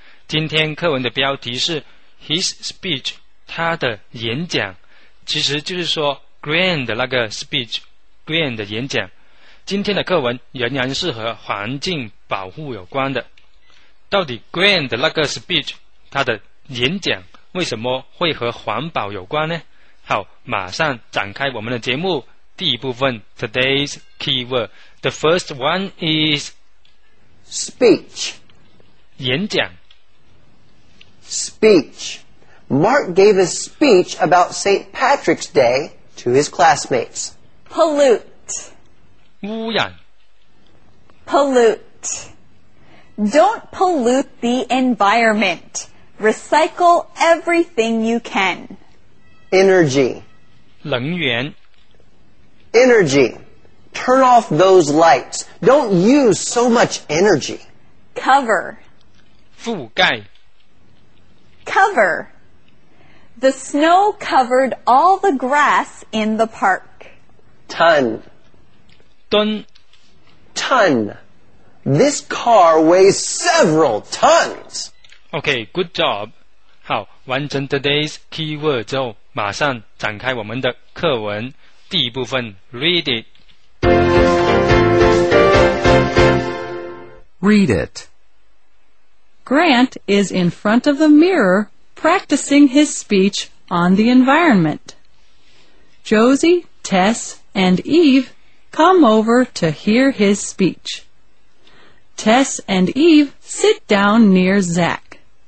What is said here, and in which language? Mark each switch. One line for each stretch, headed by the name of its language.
Chinese: 今天课文的标题是 His speech， 他的演讲，其实就是说 Grand 的那个 speech，Grand 的演讲。今天的课文仍然是和环境保护有关的。到底 Grand 的那个 speech， 他的演讲为什么会和环保有关呢？好，马上展开我们的节目。第一部分
English: ，Today's keyword， the first one is speech，
Chinese: 演讲。
English: Speech. Mark gave a speech about St. Patrick's Day to his classmates. Pollute.
Chinese: 污染。
English: Pollute. Don't pollute the environment. Recycle everything you can. Energy.
Chinese: 能源。
English: Energy. Turn off those lights. Don't use so much energy. Cover.
Chinese: 覆盖。
English: Cover. The snow covered all the grass in the park. Ton.
Chinese: 吨。
English: Ton. This car weighs several tons. Okay, good job.
Chinese: 好，完成 today's keyword 之后马上展开我们的课文第一部分
English: Read it. Read it. Grant is in front of the mirror practicing his speech on the environment. Josie, Tess, and Eve come over to hear his speech. Tess and Eve sit down near Zach.